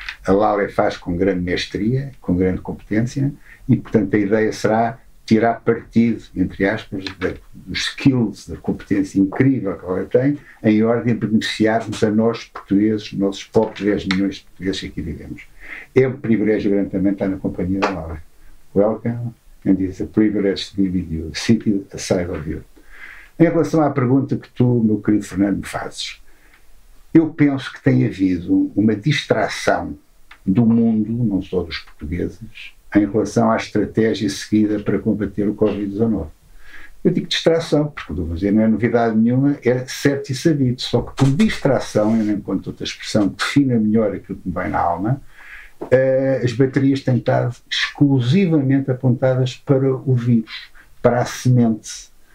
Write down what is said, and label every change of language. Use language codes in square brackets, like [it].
[pt] A Lale faz com grande mestria, com grande competência, e portanto a ideia será tirar partido, entre aspas, dos skills, da competência incrível que ela tem, em ordem a beneficiarmos a nós portugueses, nossos pobres 10 milhões de portugueses que aqui vivemos. É um privilégio grande também estar na companhia da Lale. [en] Welcome, and it's a privilege to be with you, sitting aside of you. [pt] Em relação à pergunta que tu, meu querido Fernando, me fazes, eu penso que tem havido uma distração do mundo, não só dos portugueses, em relação à estratégia seguida para combater o Covid-19. Eu digo distração, porque não é novidade nenhuma, é certo e sabido, só que por distração, eu não encontro outra expressão que defina melhor aquilo que me vem na alma, as baterias têm estado exclusivamente apontadas para o vírus, para a semente.